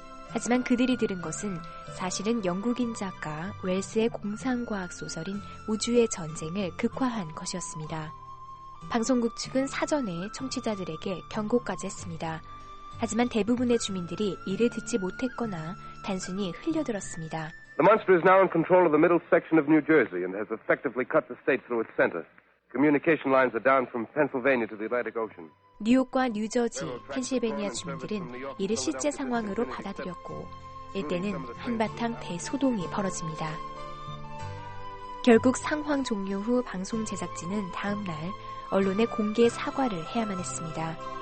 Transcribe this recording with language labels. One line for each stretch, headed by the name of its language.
Korean: 하지만 그들이 들은 것은 사실은 영국인 작가 웰스의 공상과학 소설인 우주의 전쟁을 극화한 것이었습니다. 방송국 측은 사전에 청취자들에게 경고까지 했습니다. 하지만 대부분의 주민들이 이를 듣지 못했거나 단순히 흘려들었습니다.
English: The monster is now in control of the middle section of New Jersey and has effectively cut the state through its center. Communication lines are down from Pennsylvania to the Atlantic Ocean.
Korean: 뉴욕과 뉴저지, 펜실베니아 주민들은 이를 실제 상황으로 받아들였고, 이때는 한바탕 대소동이 벌어집니다. 결국 상황 종료 후 방송 제작진은 다음 날 언론에 공개 사과를 해야만 했습니다.